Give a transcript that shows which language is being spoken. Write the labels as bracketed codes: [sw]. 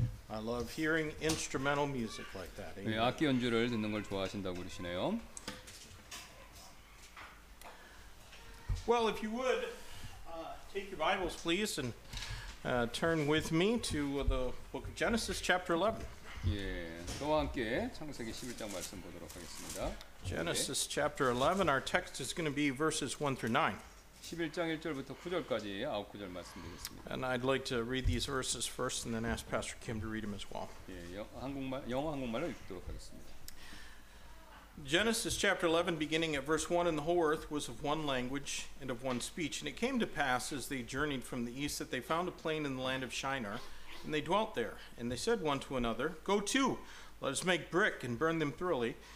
[en] I love hearing instrumental music like that. [ko] 네, 악기 연주를 듣는 걸 좋아하신다고 그러시네요. [en] Well, if you would take your Bibles, please, and turn with me to the book of Genesis, chapter 11. [ko] 예, 저와 함께 창세기 11장 말씀 보도록 하겠습니다. [en] Genesis chapter 11. Our text is going to be verses 1 through 9. [ko] 11장 1절부터 9절까지 9구절 말씀드리겠습니다. [en] And I'd like to read these verses first and then ask Pastor Kim to read them as well. [ko] 예, 한국말, 영어 한국말로 읽도록 하겠습니다. [en] Genesis chapter 11 beginning at verse 1 and the whole earth was of one language and of one speech. And it came to pass as they journeyed from the east that they found a plain in the land of Shinar and they dwelt there. And they said one to another, Go to, let us make brick and burn them thoroughly.